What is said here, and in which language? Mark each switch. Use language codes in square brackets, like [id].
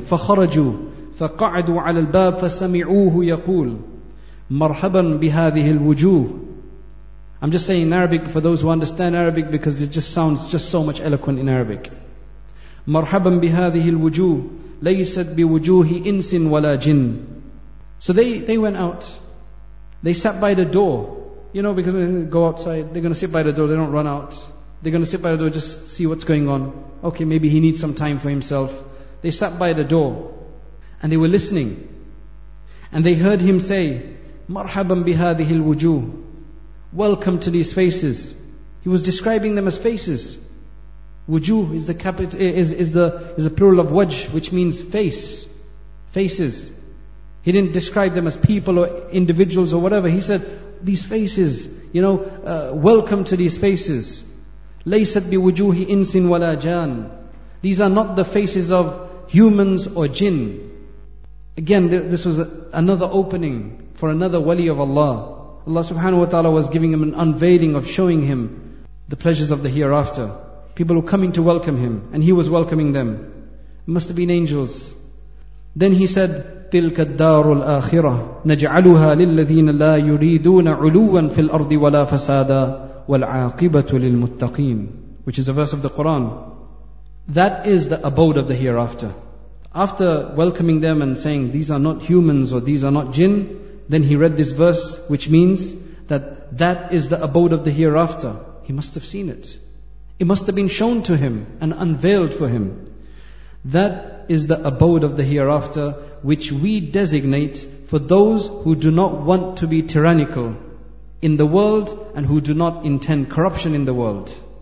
[ar] فخرجوا فقعدوا على الباب فسمعوه يقول مرحبا بهذه الوجوه. [en] I'm just saying in Arabic for those who understand Arabic, because it just sounds just so much eloquent in Arabic. [ar] مرحبا بهذه الوجوه ليست بوجوه إنس ولا جن. [en] So they went out. They sat by the door. You know, because when they go outside, they're going to sit by the door. They don't run out. They're going to sit by the door, just see what's going on. Okay, maybe he needs some time for himself. They sat by the door and they were listening. And they heard him say, [ar] Marhaban bihadihi alwujuh. [en] Welcome to these faces. He was describing them as faces. Wujuh is the is a plural of wajh, which means face. Faces. He didn't describe them as people or individuals or whatever. He said, these faces, you know, welcome to these faces. [ar] Laysat bi wujuhi insin wala jan. [en] These are not the faces of humans or jinn. Again, this was another opening for another wali of Allah. Allah subhanahu wa ta'ala was giving him an unveiling of showing him the pleasures of the hereafter. People were coming to welcome him, and he was welcoming them. It must have been angels. Then he said, [ar] تِلْكَ الدَّارُ الْآخِرَةِ نَجْعَلُهَا لِلَّذِينَ لَا يُرِيدُونَ عُلُوًا فِي الْأَرْضِ وَلَا فَسَادًا وَالْعَاقِبَةُ لِلْمُتَّقِينَ. [en] Which is a verse of the Quran. That is the abode of the hereafter. After welcoming them and saying, these are not humans or these are not jinn, then he read this verse, which means that is the abode of the hereafter. He must have seen it. It must have been shown to him and unveiled for him. That is the abode of the hereafter, which we designate for those who do not want to be tyrannical in the world and who do not intend corruption in the world.